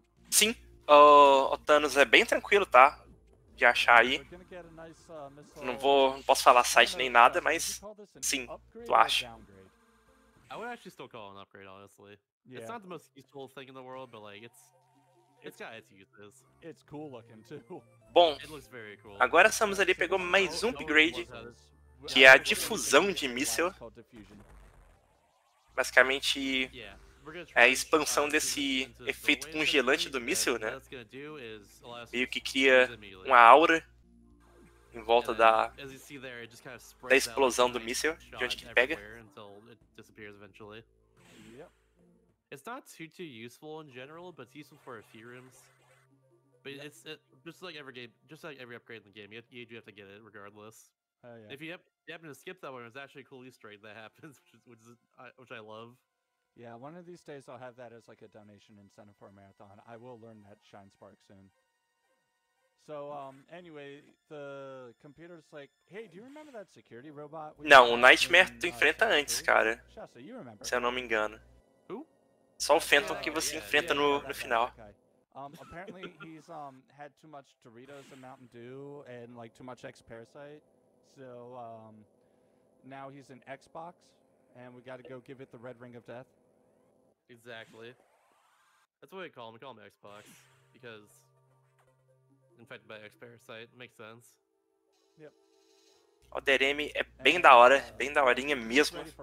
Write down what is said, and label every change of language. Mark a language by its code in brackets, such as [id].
[pt] Sim, o Thanos é bem tranquilo, tá? De achar aí. Não posso falar site nem nada, mas sim, tu acha. [en] I would actually still call it an upgrade, honestly. Yeah. It's not the most useful thing in the world, but like, it's got its uses. It's cool looking too. [pt] Bom, [en] it looks very cool. [pt] Agora a Samus ali pegou mais um upgrade, que é a difusão de míssil. Basicamente, é a expansão desse efeito congelante do míssil, né? Meio que cria uma aura em volta da explosão do míssil, de onde que ele pega. [en] Disappears eventually. Yep. It's not too useful in general, but it's useful for a few rooms. But yep. It's just like every game, just like every upgrade in the game, you do have to get it regardless. Yeah. If you happen to skip that one, it's actually a cool Easter egg that happens, which I love. Yeah, one of these days I'll have that as like a donation incentive for a marathon. I will learn that Shine Spark soon. So, anyway, the computer's like, hey, do you remember that security robot? [pt] Não, o Nightmare tu enfrenta antes, cara. Shasta, [en] you remember. [pt] Se eu não me engano. [en] Who? [pt] Só o Phantom que você enfrenta no final. [en] Apparently, he's had too much Doritos and Mountain Dew and, like, too much X-Parasite. So, now he's in Xbox, and we gotta go give it the Red Ring of Death. Exactly. That's what we call him Xbox, because... Infected by X-Parasite, makes sense. Yep. [pt] Other M é bem da hora, bem da horinha mesmo.